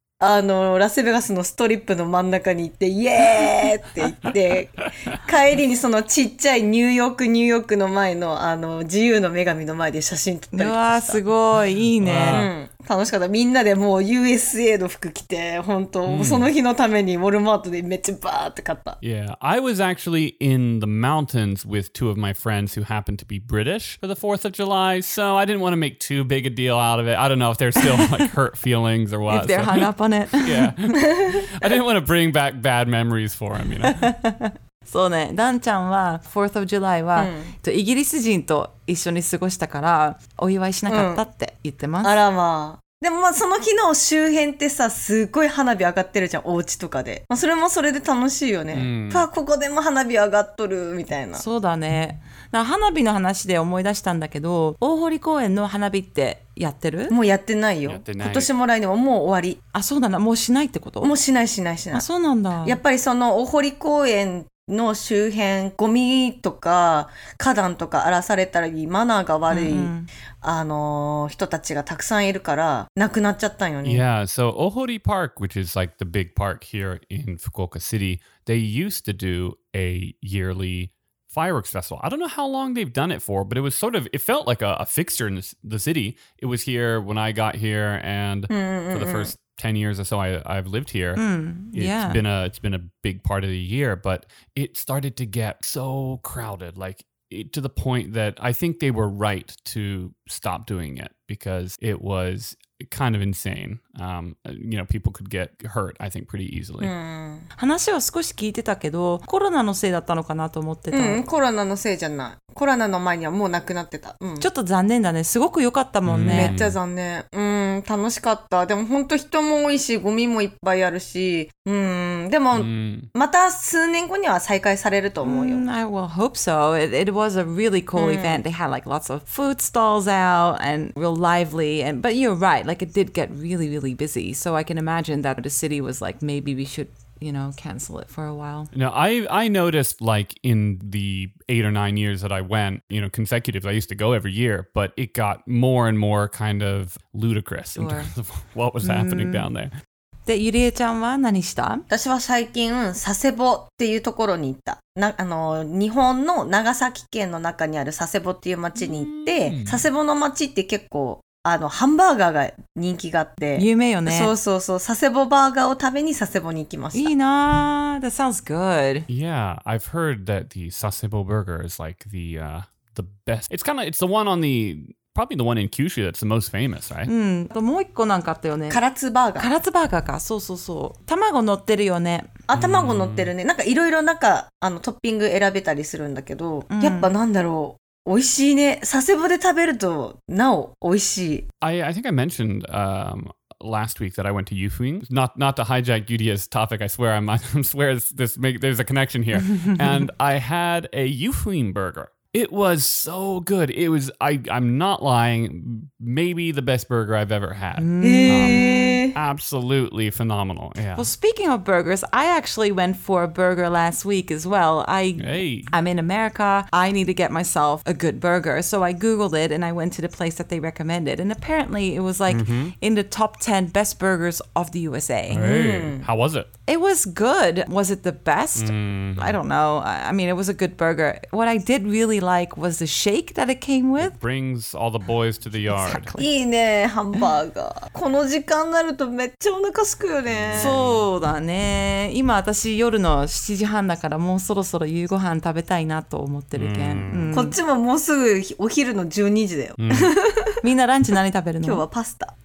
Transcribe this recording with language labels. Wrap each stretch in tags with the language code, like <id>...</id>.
<ja>あのラスベガスのストリップの真ん中に行ってイエーって言って帰りにそのちっちゃいニューヨークの前のあの自由の女神の前で写真撮ったりとかした。うわーすごいいいね、うん、楽しかった。みんなでもう USA の服着て本当、うん、その日のためにウォルマートでめっちゃバーって買った。</ja> <en>Yeah, I was actually in the mountains with two of my friends who happened to be British for the 4th of July, so I didn't want to make too big a deal out of it. I don't know if they're still like hurt feelings or what. If they're hung up on it. Yeah. I didn't want to bring back bad memories for them, you know.</en> <ja>そうね、ダンちゃんは 4th of July は、うん、イギリス人と一緒に過ごしたからお祝いしなかったって言ってます、うん、あらまあ。でもまあその日の周辺ってさ、すごい花火上がってるじゃん、お家とかで。まあ、それもそれで楽しいよね。うん、あ、ここでも花火上がっとる、みたいな。そうだね。花火の話で思い出したんだけど、大堀公園の花火ってやってる？もうやってないよ。今年も来年ももう終わり。あ、そうなんだ。もうしないってこと？もうしないしないしない。あ、そうなんだ。やっぱりその大堀公園の周辺、ゴミとか花壇とか荒らされたりマナーが悪い、うん、人たちがたくさんいるからなくなっちゃったんよね。</ja> <en>Yeah, so Ohori Park, which is like the big park here in Fukuoka City, they used to do a yearly fireworks festival. I don't know how long they've done it for, but it was sort of, it felt like a fixture in the city. It was here when I got here and for the first 10 years or so I've lived here. It's been a big part of the year, but it started to get so crowded, like it, to the point that I think they were right to stop doing it because it was kind of insane. People could get hurt, I think, pretty easily.</en> <ja>話は少し聞いてたけど、コロナのせいだったのかなと思ってた。うん、コロナのせいじゃない。コロナの前にはもうなくなってた。うん、ちょっと残念だね。すごく良かったもんね。めっちゃ残念。楽しかった。でも本当人も多いし、ゴミもいっぱいあるし。でも、また数年後には再開されると思うよ。</ja> <en>I will hope so. It was a really cool event. They had like lots of food stalls out and real lively. But you're right. Like it did get really, really busy. So I can imagine that the city was like, maybe we should, you know, cancel it for a while. No, I noticed like in the 8 or 9 years that I went, you know, consecutively, I used to go every year, but it got more and more kind of ludicrous in terms of what was happening down there.</en> <ja>で、ゆりえちゃんは何した？私は最近、佐世保っていうところに行った。日本の長崎県の中にある佐世保っていう町に行って、佐世保の町って結構、ハンバーガーが人気があって。有名よね。そうそうそう。佐世保バーガーを食べに佐世保に行きました。いいなぁ。</ja> <en>That sounds good. Yeah, I've heard that the 佐世保 burger is like the best. It's kind of, it's the one on the... Probably the one in Kyushu that's the most famous, right?</en> <ja>もう一個なんかあったよね。カラツバーガー。カラツバーガーか。そうそうそう。卵乗ってるよね。あ、卵乗ってるね。なんかいろいろなんかトッピング選べたりするんだけど、やっぱなんだろう。美味しいね。佐世保で食べるとなお美味しい。</ja> <en>I think I mentioned last week that I went to Yufuin. Not to hijack Yudia's topic, I swear. I'm swear there's a connection here. And I had a Yufuin burger. It was so good. It was, I'm not lying, maybe the best burger I've ever had. Absolutely phenomenal. Yeah. Well, speaking of burgers, I actually went for a burger last week as well. I'm in America. I need to get myself a good burger. So I Googled it and I went to the place that they recommended. And apparently it was like in the top 10 best burgers of the USA. How was it? It was good. Was it the best? I don't know. I mean, it was a good burger. What I did really like was the shake that it came with. It brings all the boys to the yard. Exactly.</en> <ja>いいね、ハンバーガー。この時間になるとめっちゃお腹すくよね。そうだね。今私夜の7時半だからもうそろそろ夕ご飯食べたいなと思ってるけん。こっちももうすぐお昼の12時だよ。みんなランチ何食べるの？今日はパスタ。</ja>